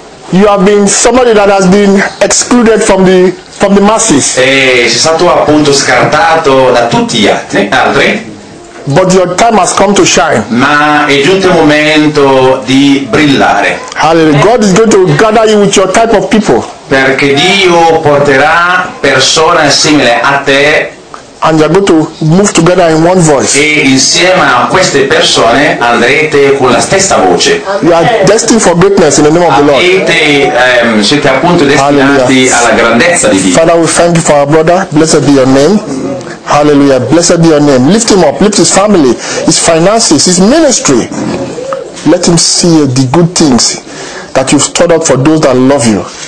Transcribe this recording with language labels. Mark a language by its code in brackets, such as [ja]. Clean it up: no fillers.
[en] You have been somebody that has been excluded from the masses. [it] E sei stato appunto scartato da tutti gli altri. [en] But your time has come to shine. [it] Ma è giunto il momento di brillare. Hallelujah. [en] God is going to gather you with your type of people. [it] Perché Dio porterà persone simili a te. [en] And you're going to move together in one voice. [it] E insieme a queste persone andrete con la stessa voce. [en] You are destined for greatness in the name of the Lord. [it] Siete appunto destinati. Hallelujah. Alla grandezza di Dio. [en] Father, we thank you for our brother. Blessed be your name. Hallelujah. Blessed be your name. Lift him up. Lift his family, his finances, his ministry. Let him see the good things that you've stored up for those that love you.